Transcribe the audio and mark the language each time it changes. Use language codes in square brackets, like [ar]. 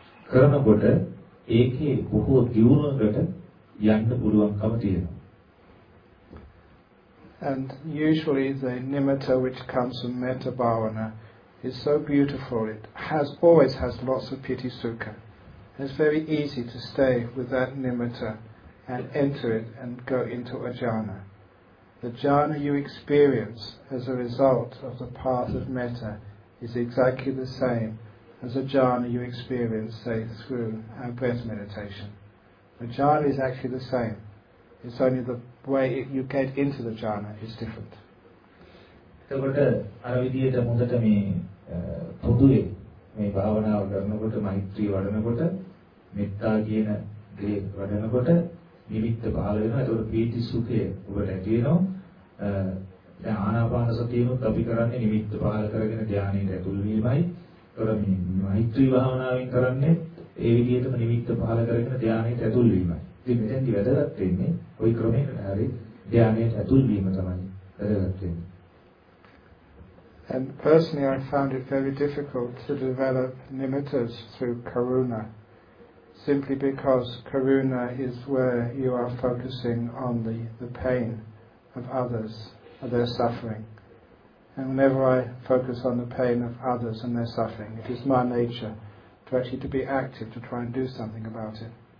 [si] කරනකොට ඒකේ බොහෝ දියුණුවකට යන්න පුළුවන්කම තියෙනවා. [en] And usually the nimitta which comes from metta bhavana is so beautiful, it has always has lots of piti sukha. It's very easy to stay with that nimitta and enter it and go into a jhana. The jhana you experience as a result of the path of metta is exactly the same as a jhana you experience, say, through our breath meditation. The jhana is actually the same. It's only the way you get into the jhana is different. [si] එතකොට අර විදිහට හොඳට මේ පොදුවේ මේ භාවනාව කරනකොට මෛත්‍රී වඩනකොට මෙත්තා කියන දේ වඩනකොට නිමිත්ත පහළ වෙනවා. එතකොට ප්‍රීති සුඛය ඔබට ඇති වෙනවා. දැන් ආනාපාන සතියනොත් අපි කරන්නේ නිමිත්ත පහළ කරගෙන ධානයට ඇතුල් වීමයි. මෛත්‍රී භාවනාවෙන් කරන්නේ ඒ විදිහටම නිමිත්ත පහල කරගෙන ධානයට ඇතුල් වීමයි. ඉතින් මෙතෙන්දි වැදගත් වෙන්නේ ওই ක්‍රමයකට හරි ධානයට ඇතුල් වීම තමයි වැදගත් වෙන්නේ. [en] And personally I found it very difficult to develop nimittas through karuna simply because karuna is where you are focusing on the pain of others and their suffering. And whenever I focus on the pain of others and their suffering, it is my nature to actually to be active, to try and do something about it.